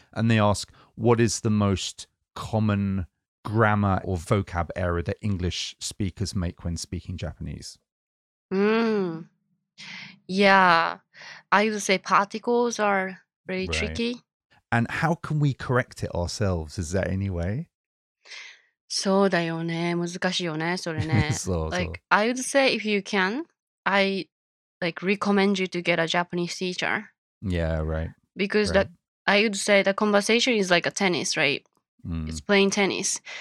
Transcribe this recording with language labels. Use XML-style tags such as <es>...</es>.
<en>And they ask, what is the most common grammar or vocab error that English speakers make when speaking Japanese? Yeah, I would say particles are really tricky. And how can we correct it ourselves? Is there any way?</en> <ja>そうだよね。難しいよね、それね。そうそう。</ja> <en>Like, I would say if you can, I like recommend you to get a Japanese teacher. Yeah, right. Because right. I would say the conversation is like a tennis, right? Mm. It's playing tennis.</en>